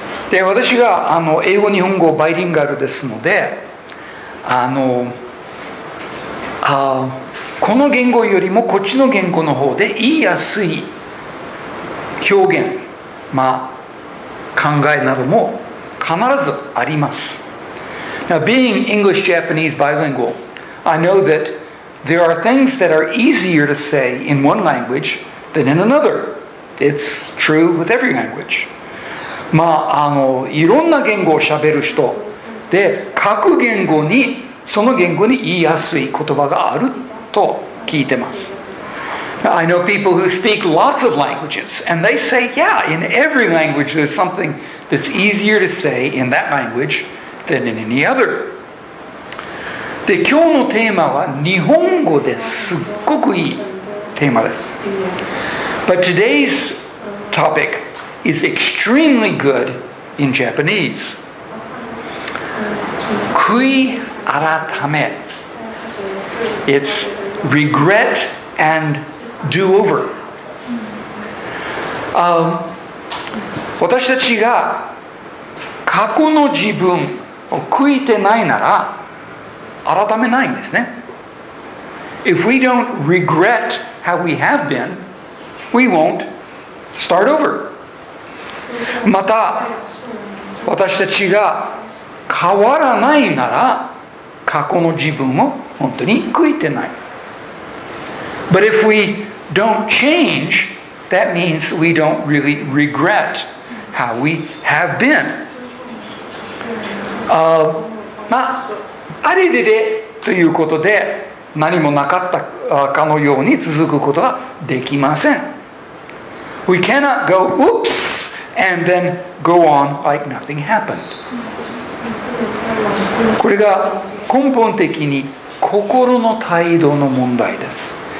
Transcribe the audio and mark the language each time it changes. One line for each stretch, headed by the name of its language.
Japanese: で、私が英語日本語バイリンガルですので、この言語よりもこっちの言語の方で言いやすい表現、考えなども必ずあります。
English: Now, being English, Japanese, bilingual, I know that there are things that are easier to say in one language than in another. It's true with every language.
Japanese: いろんな言語をしゃべる人で、各言語にその言語に言いやすい言葉があると聞いてます。
English: I know people who speak lots of languages, and they say, yeah, in every language there's something that's easier to say in that language than in any other.
Japanese: で、今日のテーマは日本語です。すっごくいいテーマです。
English: But today's topic is extremely good in Japanese.
Japanese: 悔い改め。
English: It's regret and do over.
Japanese: 私たちが過去の自分を悔いてないなら改めないんですね。
English: If we don't regret how we have been, we won't start over.
Japanese: また私たちが変わらないなら過去の自分を本当に悔いてない。
English: But if weDon't change, that means we don't really regret how we have been.
Japanese: まあ、あれれれということで何もなかったかのように続くことはできません。
English: We cannot go oops and then go on like nothing happened.
Japanese: これが根本的に心の態度の問題です。